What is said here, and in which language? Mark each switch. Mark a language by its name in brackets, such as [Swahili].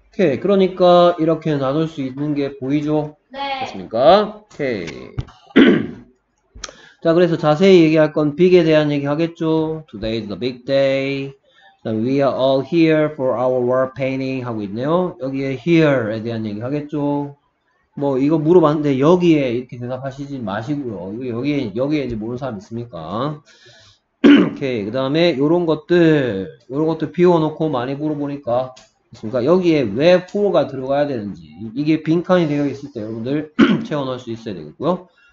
[Korean] 오케이, 그러니까 이렇게 나눌 수 있는 게 보이죠? 네. 됐습니까? 오케이. 자, 그래서 자세히 얘기할 건 빅에 대한 얘기 하겠죠? [English] Today is the big day. We are all here for our work painting [Korean] 하고 있네요. 여기에 here에 대한 얘기 하겠죠? 뭐 이거 물어봤는데 여기에 이렇게 대답하시지 마시고요. 여기에 이제 모르는 사람 있습니까? 오케이. 그 다음에 요런 것들 비워놓고 많이 물어보니까 그러니까 여기에 왜 for가 들어가야 되는지 이게 빈칸이 되어 있을 때 여러분들 채워넣을 수 있어야 되겠고요.